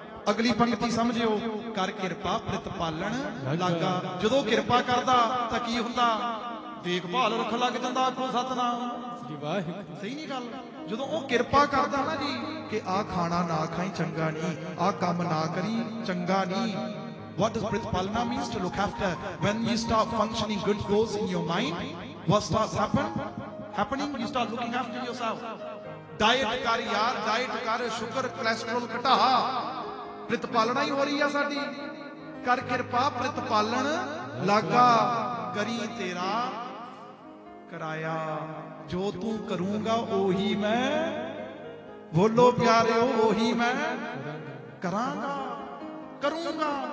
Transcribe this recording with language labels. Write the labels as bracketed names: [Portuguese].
[Punjabi] ਅਗਲੀ ਪੰਕਤੀ ਸਮਝਿਓ, ਕਰ ਕਿਰਪਾ ਪ੍ਰਿਤ ਪਾਲਣ ਲਾਗਾ। ਜਦੋਂ ਕਿਰਪਾ ਕਰਦਾ ਤਾਂ ਕੀ ਹੁੰਦਾ? ਦੇਖਭਾਲ ਰੱਖਣ ਲੱਗ ਜਾਂਦਾ। ਖੋ ਸਤਨਾਮ, ਸਹੀ ਨੀ ਗੱਲ? ਜਦੋਂ ਉਹ ਕਿਰਪਾ ਕਰਦਾ ਨਾ ਜੀ, ਕਿ ਆਹ ਖਾਣਾ ਨਾ ਖਾਈ ਚੰਗਾ ਨਹੀਂ, ਆਹ ਕੰਮ ਨਾ ਕਰੀ ਚੰਗਾ ਨਹੀਂ। [English] What does ਪ੍ਰਿਤ ਪਾਲਣਾ means? To look after. When you start functioning good goes in your mind, what starts happening? You start looking after yourself. [Punjabi] Diet ਕਰ ਯਾਰ, ਡਾਇਟ ਕਰ, ਸ਼ੂਗਰ ਕੋਲੈਸਟ੍ਰੋਲ ਘਟਾ, ਪ੍ਰਿਤ ਪਾਲਣਾ ਹੀ ਹੋ ਰਹੀ ਆ ਸਾਡੀ। ਕਰ ਕਿਰਪਾ ਪ੍ਰਿਤ ਪਾਲਣ ਲਾਗਾ, ਕਰੀ ਤੇਰਾ ਕਰਾਇਆ, ਜੋ ਤੂੰ ਕਰੂੰਗਾ ਉਹੀ ਮੈਂ, ਬੋਲੋ ਪਿਆਰਿਓ, ਉਹੀ ਮੈਂ ਕਰਾਂਗਾ ਕਰੂੰਗਾ।